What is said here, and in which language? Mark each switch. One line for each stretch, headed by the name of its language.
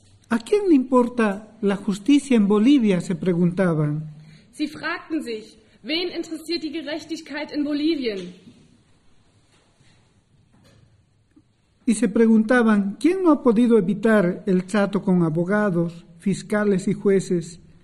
Spanish: ¿A quién le importa la justicia en Bolivia? Se preguntaban.
German: Sie fragten sich, wen interessiert die Gerechtigkeit in Bolivien?
Spanish: Y se preguntaban, ¿quién no ha podido evitar el trato con abogados, fiscales y jueces?